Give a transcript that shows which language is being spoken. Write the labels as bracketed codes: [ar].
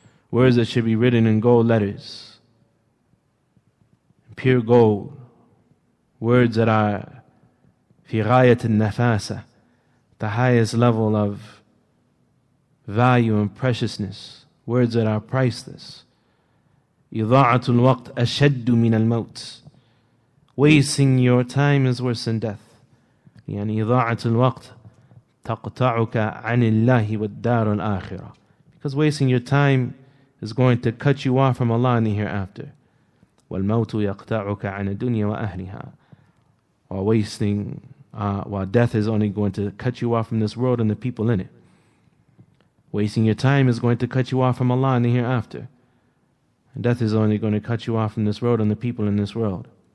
[en] Words that should be written in gold letters, pure gold. Words that are [ar] في غاية النفاسة, [en] the highest level of value and preciousness, words that are priceless. [ar] إضاعة الوقت أشد من الموت. [en] Wasting your time is worse than death. [ar] يعني إضاعة الوقت تقطعك عن الله والدار الآخرة. [en] Because wasting your time is going to cut you off from Allah in the hereafter. [ar] والموت يقطعك عن الدنيا وأهلها. [en] Or wasting while death is only going to cut you off from this world and the people in it. Wasting your time is going to cut you off from Allah in the hereafter. And death is only going to cut you off from this world and the people in this world.